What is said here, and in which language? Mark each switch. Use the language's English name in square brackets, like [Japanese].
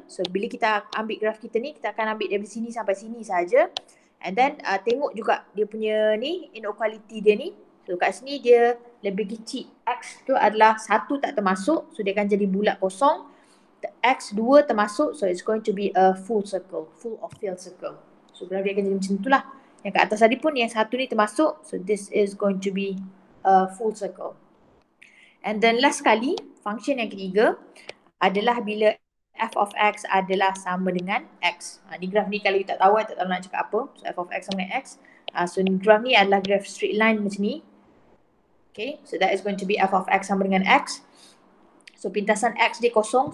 [Malay] So bila kita ambil graf kita ni, kita akan ambil dari sini sampai sini saja. And then tengok juga dia punya ni inequality dia ni. So kat sini dia lebih kecil. X tu adalah 1 tak termasuk. So dia akan jadi bulat kosong. X 2 termasuk. [English] So it's going to be a full circle. Full or filled circle. So [Malay] graf dia akan jadi macam itulah. Yang kat atas tadi pun yang 1 ni termasuk. [English] So this is going to be a full circle. [Malay] And then last sekali, function yang ketiga adalah bila f of x adalah sama dengan x. Ni graf ni kalau you tak tahu, tak tahu nak cakap apa. So f of x sama dengan x. So graf ni adalah graf straight line macam ni. [English] Okay, so that is going to be f of x [Malay] sama dengan x. [English] So [Malay] pintasan x dia kosong.